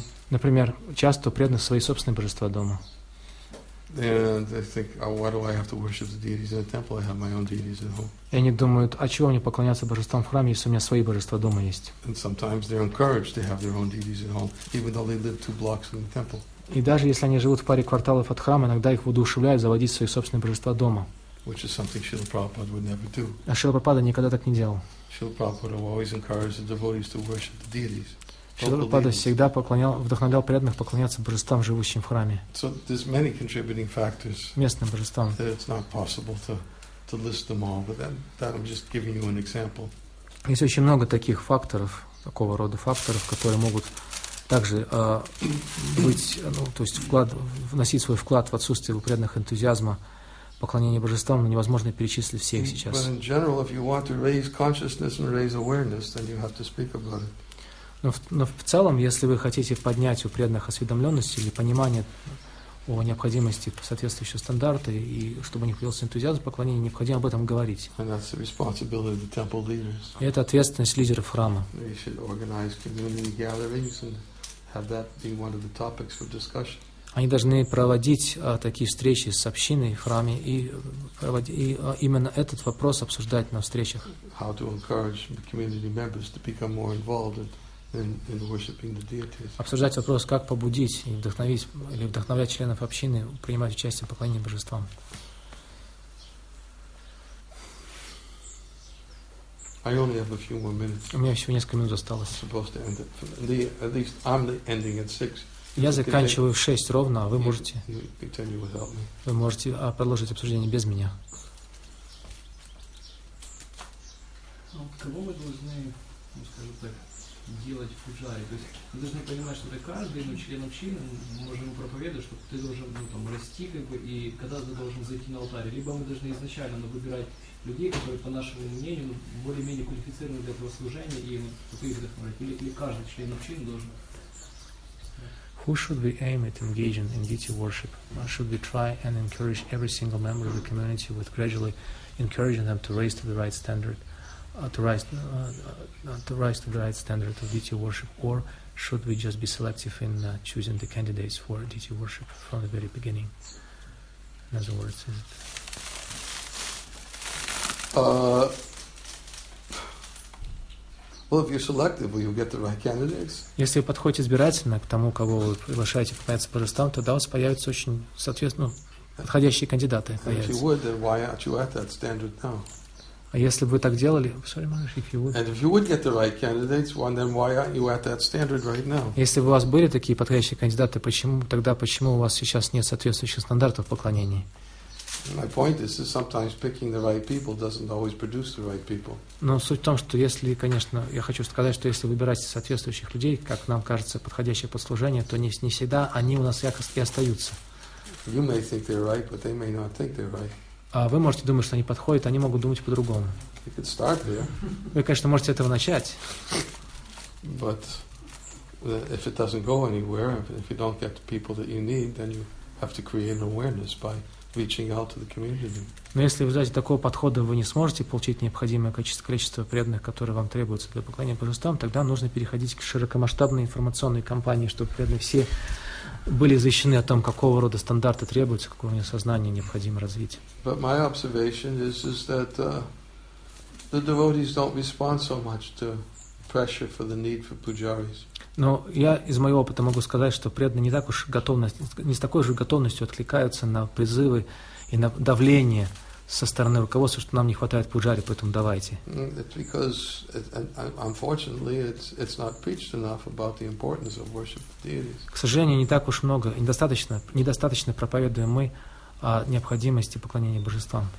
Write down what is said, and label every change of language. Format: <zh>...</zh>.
<ru>Например, часто преданных свои собственные божества дома. И они думают, а чего мне поклоняться божествам в храме, если у меня свои божества дома есть? И даже если они живут в паре кварталов от храма, иногда их воодушевляют заводить свои собственные божества дома.</ru> <en>Which is something Srila Prabhupada would never do.</en> <ru>А Шрила Прабхупада никогда так не делал.</ru> <en>Srila Prabhupada always encouraged the devotees to worship the deities.</en> <ru>Шрила Прабхупада всегда вдохновлял преданных поклоняться божествам, живущим в храме.</ru> <en>So there's many contributing factors.</en> <ru>Местным божествам.</ru> <en>That it's not possible to list them all, but that I'm just giving you an example.</en> <ru>Есть очень много таких факторов, такого рода факторов, которые могут также вносить свой вклад в отсутствие у преданных энтузиазма. Поклонение божествам, но невозможно перечислить все их сейчас.</ru> <en>But in general, if you want to raise consciousness and raise awareness, then you have to speak about it.</en> <ru>Но в целом, если вы хотите поднять у преданных осведомленность или понимание о необходимости соответствующего стандарта, и чтобы у них появился энтузиазм поклонения, необходимо об этом говорить.</ru> <en>And that's the responsibility of the temple leaders.</en> <ru>И это ответственность лидеров храма.</ru> <en>They should organize community gatherings and have that be one of the topics for discussion.</en> <ru>Они должны проводить такие встречи с общиной в храме и проводить, и именно этот вопрос обсуждать на встречах.</ru> <en>How to encourage the community members to become more involved in worshiping the deities.</en> <ru>Обсуждать вопрос, как побудить и вдохновить или вдохновлять членов общины принимать участие в поклонении божествам.</ru> <en>I only have a few more minutes.</en> <ru>У меня еще несколько минут осталось.</ru> <en>I'm supposed to end at least I'm ending at 6.</en> <ru>Я заканчиваю в 6 ровно, а вы можете.</ru> <en>You</en> <ru>вы можете продолжить обсуждение без меня. Ну, кого вы должны, ну, скажем так, делать в пуджаре? То есть вы должны понимать, что ты каждый, ну, член общины, мы можем проповедовать, что ты должен, ну, там, расти, как бы, и когда ты должен зайти на алтарь. Либо мы должны изначально, ну, выбирать людей, которые, по нашему мнению, ну, более-менее квалифицированы для этого служения, и вот, чтобы их вдохновлять. Или каждый член общины должен.</ru> <en>Who should we aim at engaging in deity worship? Should we try and encourage every single member of the community with gradually encouraging them to rise to the right standard, to rise to the right standard of deity worship, or should we just be selective in choosing the candidates for deity worship from the very beginning? In other words, is it? Well, if you're selective, will you get the right candidates?</en> <ru>Если вы подходите избирательно к тому, кого вы приглашаете поклоняться божествам, тогда у вас появятся очень соответственно подходящие кандидаты.</ru> <en>And if you would, then why aren't you at that standard now?</en> <ru>А если бы вы так делали,</ru> <en>sorry, if you would. And if you would get the right candidates, then why aren't you at that standard right now?</en> <ru>Если бы у вас были такие подходящие кандидаты, почему у вас сейчас нет соответствующих стандартов поклонений?</ru> <en>My point is that sometimes picking the right people doesn't always produce the right people.</en> <ru>Но суть в том, что если, конечно, я хочу сказать, что если выбирать соответствующих людей, как нам кажется, подходящее послужение, то не всегда они у нас якобы и остаются.</ru> <en>You may think they're right, but they may not think they're right.</en> <ru>А вы можете думать, что они подходят, они могут думать по-другому.</ru> <en>You could start there.</en> <ru>Вы, конечно, можете этого начать.</ru> <en>But if it doesn't go anywhere, if you don't get the people that you need, then you have to create an awareness by reaching out to the community.</en> <ru>Но если в результате такого подхода вы не сможете получить необходимое количество преданных, которые вам требуются для поклонения божествам, тогда нужно переходить к широкомасштабной информационной кампании, чтобы преданные все были защищены о том, какого рода стандарты требуются, какого рода сознания необходимо развить.</ru> <en>But my observation is that the devotees don't respond so much to pressure for the need for pujaris.</en> <ru>Но я из моего опыта могу сказать, что преданные не так уж не с такой же готовностью откликаются на призывы и на давление со стороны руководства, что нам не хватает пуджари, поэтому давайте. К сожалению, недостаточно проповедуем мы о необходимости поклонения божествам.</ru>